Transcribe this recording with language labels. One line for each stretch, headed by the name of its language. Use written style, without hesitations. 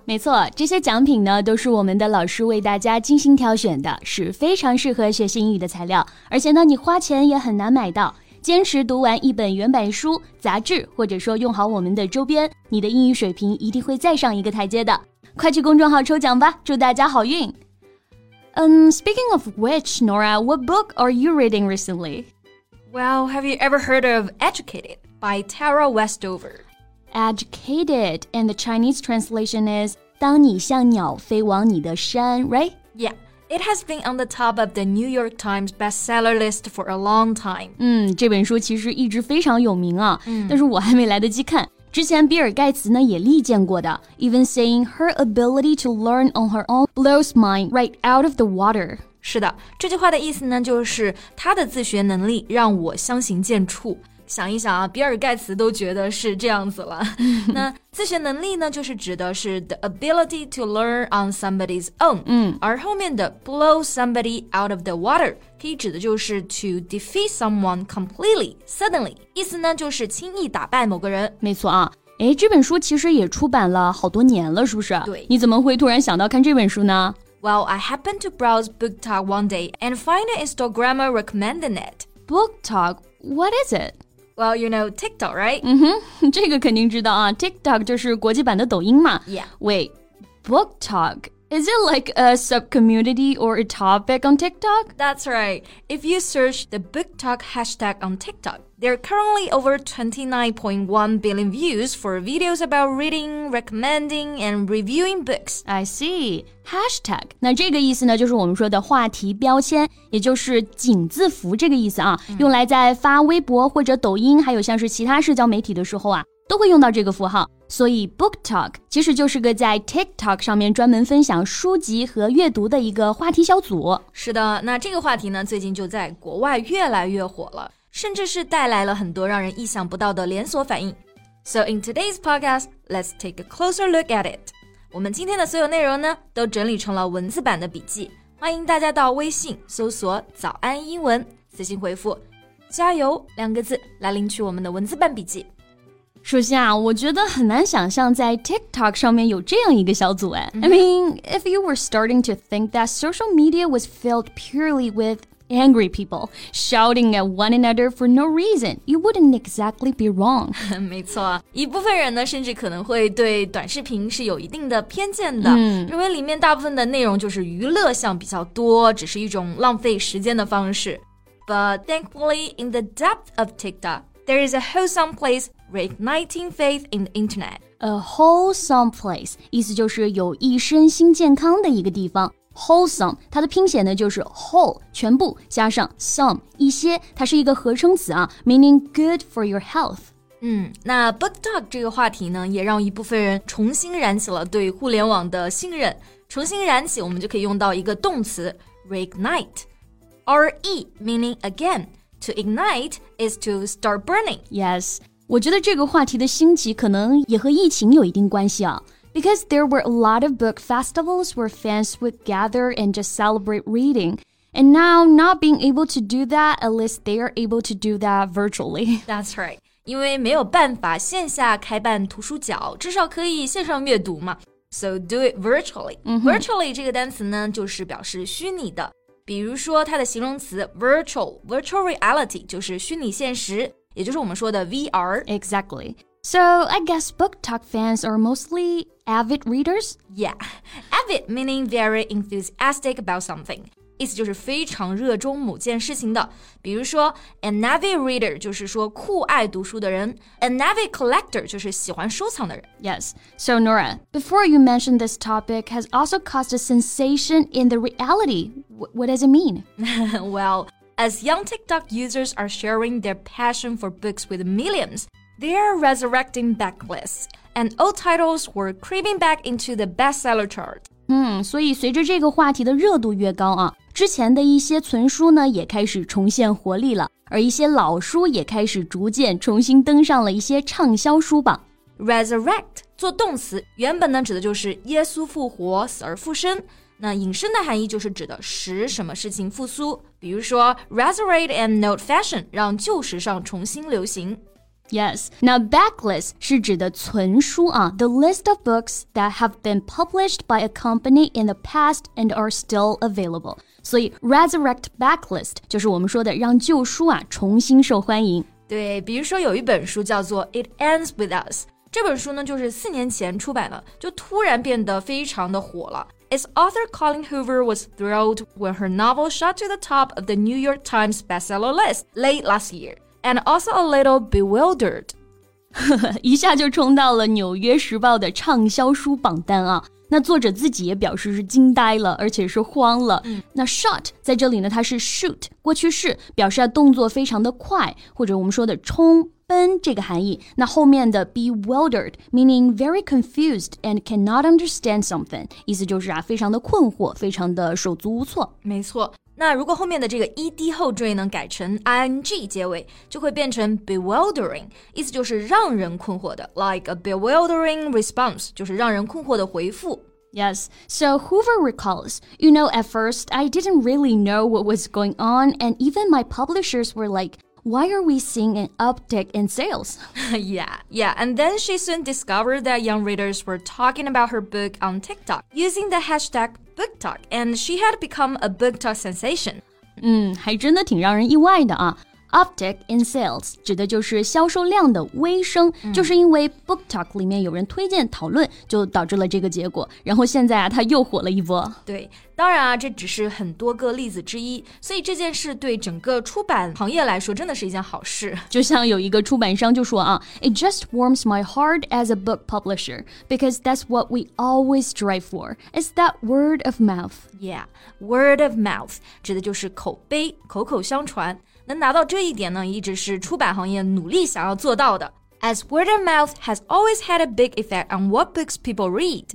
Chinese: 没错，这些奖品呢都是我们的老师为大家精心挑选的，是非常适合学习英语的材料，而且呢你花钱也很难买到。坚持读完一本原版书、杂志，或者说用好我们的周边，你的英语水平一定会再上一个台阶的。快去公众号抽奖吧，祝大家好运。
English: Speaking of which, Nora, what book are you reading recently? Well, have you ever heard of Educated by Tara Westover? Educated, and the Chinese translation is
Chinese: 当你像鸟飞往你的山
English: right? Yeah, it has been on the top of the New York Times bestseller list for a long time.
Chinese: 这本书其实一直非常有名啊、但是我还没来得及看。之前比尔盖茨呢也力荐过的
English: even saying her ability to learn on her own blows mine right out of the water.
Chinese: 是的，这句话的意思呢就是她的自学能力让我相形见绌。想一想啊，比尔盖茨都觉得是这样子了。那自学能力呢，就是指的是
English: the ability to learn on somebody's own。
Chinese: 而后面的
English: blow somebody out of the water
Chinese: 可以指的就是
English: to defeat someone completely, suddenly。
Chinese: 意思呢，就是轻易打败某个人。没错啊。哎，这本书其实也出版了好多年了，是不是？对。你怎么会突然想到看这本书呢？
English: Well, I happened to browse BookTok one day and find an Instagrammer recommending it. BookTok, what is it? Well, you know, TikTok, right?
Chinese: 这个肯定知道啊。 TikTok 就是国际版的抖音嘛。
English: Yeah. Wait, BookTok, is it like a sub-community or a topic on TikTok? That's right. If you search the BookTok hashtag on TikTok, there are currently over 29.1 billion views for videos about reading, recommending, and reviewing books. I see.
Chinese: Hashtag, 那这个意思呢就是我们说的话题标签，也就是井字符这个意思啊、用来在发微博或者抖音还有像是其他社交媒体的时候啊都会用到这个符号。所以 BookTok 其实就是个在 TikTok 上面专门分享书籍和阅读的一个话题小组。是的，那这个话题呢最近就在国外越来越火了，甚至是带来了很多让人意想不到的连锁反应。
English: So in today's podcast, let's take a closer look at it.
Chinese: 我们今天的所有内容呢都整理成了文字版的笔记，欢迎大家到微信搜索早安英文，私信回复加油两个字来领取我们的文字版笔记。首先啊，我觉得很难想象在 TikTok 上面有这样一个小组哎。
English: I mean, if you were starting to think that social media was filled purely withangry people shouting at one another for no reason, you wouldn't exactly be wrong.
Chinese: 没错，一部分人呢甚至可能会对短视频是有一定的偏见的、认为里面大部分的内容就是娱乐项比较多，只是一种浪费时间的方式。
English: But thankfully, in the depth of TikTok, there is a wholesome place reigniting faith in the internet. A wholesome place
Chinese: 意思就是有益身心健康的一个地方。 Wholesome, 它的拼写呢就是 whole, 全部加上 some, 一些，它是一个合成词啊
English: meaning good for your health.
Chinese: 那 BookTok 这个话题呢也让一部分人重新燃起了对互联网的信任。重新燃起我们就可以用到一个动词 reignite.
English: RE meaning again, to ignite is to start burning.
Chinese: Yes, 我觉得这个话题的兴起可能也和疫情有一定关系啊。
English: Because there were a lot of book festivals where fans would gather and just celebrate reading. And now, not being able to do that, at least they are able to do that virtually. That's right.
Chinese: 因为没有办法线下开办图书角，至少可以线上阅读嘛。
English: So do it virtually.、
Chinese: Virtually 这个单词呢，就是表示虚拟的。比如说它的形容词 virtual, virtual reality 就是虚拟现实，也就是我们说的 VR.
English: Exactly. So, I guess BookTok fans are mostly avid readers? Yeah, avid meaning very enthusiastic about something.
Chinese: 意思就是非常热衷某件事情的。比如说
English: an avid reader
Chinese: 就是说酷爱读书的人。
English: An avid collector
Chinese: 就是喜欢收藏的人。
English: Yes, so Nora, before you mentioned this topic has also caused a sensation in the reality. What does it mean? Well, as young TikTok users are sharing their passion for books with millions,They are resurrecting backlists, and old titles were creeping back into the bestseller chart.
Chinese: 所以随着这个话题的热度越高啊，之前的一些存书呢也开始重现活力了，而一些老书也开始逐渐重新登上了一些畅销书榜。 Resurrect 做动词，原本呢指的就是耶稣复活，死而复生。那引申的含义就是指的使什么事情复苏，比如说
English: resurrect and note fashion，
Chinese: 让旧时尚重新流行。
English: Yes, now backlist
Chinese: 是指的存书啊
English: the list of books that have been published by a company in the past and are still available.
Chinese: 所以 resurrect backlist 就是我们说的让旧书啊重新受欢迎。对，比如说有一本书叫做 It Ends With Us， 这本书呢就是四年前出版的，就突然变得非常的火了。
English: Its author Colleen Hoover was thrilled when her novel shot to the top of the New York Times bestseller list late last year. And also a little bewildered.
Chinese: 一下就冲到了纽约时报的畅销书榜单啊。那作者自己也表示是惊呆了，而且是慌了。嗯、那 shot 在这里呢，它是 shoot 过去式，表示动作非常的快，或者我们说的冲奔这个含义。那后面的 bewildered,
English: meaning very confused and cannot understand something,
Chinese: 意思就是啊，非常的困惑，非常的手足无措。没错。那如果后面的这个 ed 后缀呢改成 ing 结尾，就会变成 bewildering， 意思就是让人困惑的 ，
English: like a bewildering response，
Chinese: 就是让人困惑的回复。
English: Yes, so Hoover recalls, you know, at first I didn't really know what was going on, and even my publishers were like, why are we seeing an uptick in sales? Yeah, yeah, and then she soon discovered that young readers were talking about her book on TikTok using the hashtag. BookTok, and she had become a BookTok sensation.
Chinese: 嗯，还真的挺让人意外的啊。
English: Uptick in sales
Chinese: 指的就是销售量的微升，嗯、就是因为 BookTok 里面有人推荐讨论，就导致了这个结果。然后现在啊，它又火了一波。对，当然啊，这只是很多个例子之一，所以这件事对整个出版行业来说真的是一件好事。就像有一个出版商就说啊
English: ，It just warms my heart as a book publisher because that's what we always strive for. It's that word of mouth. Yeah, word of mouth
Chinese: 指的就是口碑，口口相传。能拿到这一点呢，一直是出版行业努力想要做到的。
English: As word of mouth has always had a big effect on what books people read.